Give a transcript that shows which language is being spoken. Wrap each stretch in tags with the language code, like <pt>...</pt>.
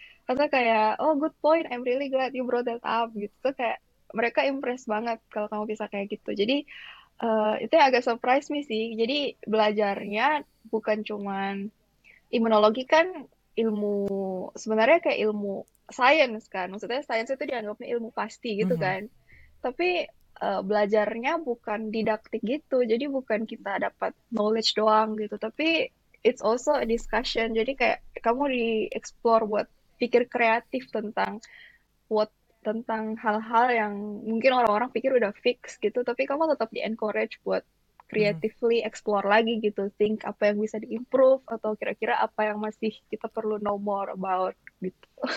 <id>Karena kayak</id> <en>oh good point, I'm really glad you brought that up gitu.</en> <id>Terus kayak mereka impressed banget kalau kamu bisa kayak gitu. Jadi itu yang agak</id> <en>surprise me</en> <id>sih. Jadi belajarnya bukan cuman imunologi kan ilmu, sebenarnya kayak ilmu science kan. Maksudnya science itu dianggapnya ilmu pasti gitu kan. Tapi belajarnya bukan didaktik gitu. Jadi bukan kita dapat knowledge doang gitu.</id> <en>Tapi it's also a discussion.</en> <id>Jadi kayak kamu di-explore buat pikir kreatif tentang what, tentang hal-hal yang mungkin orang-orang pikir udah fix gitu, tapi kamu tetap di-encourage buat creatively explore lagi gitu, think apa yang bisa diimprove atau kira-kira apa yang masih kita perlu</id> <en>know more about</en> <id>gitu.</id>